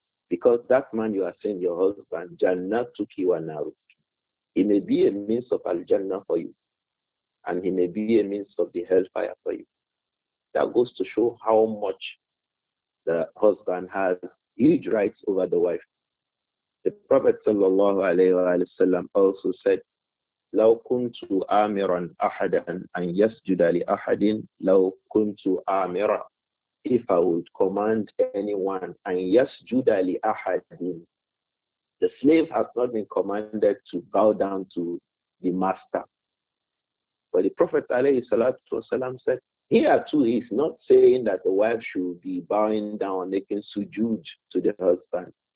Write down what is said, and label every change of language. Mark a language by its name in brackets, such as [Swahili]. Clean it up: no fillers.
[English] Because that man you are saying, your husband, [Arabic] jannatuki wa naruki. [English] He may be a means of al-jannah for you. And he may be a means of the hellfire for you. That goes to show how much the husband has huge rights over the wife. The Prophet [Arabic] sallallahu alayhi wa sallam also said, لَوْ كُنْتُ آمِرًا أَحَدًا أَنْ يَسْجُدَ لِأَحَدٍ لَوْ كُنْتُ آمِرًا. [English] If I would command anyone, [Arabic] أَنْ يَسْجُدَ لِأَحَدٍ. [English] The slave has not been commanded to bow down to the master. But the Prophet alayhi salatu wa sallam said, here too, he's not saying that the wife should be bowing down, making sujood to the husband.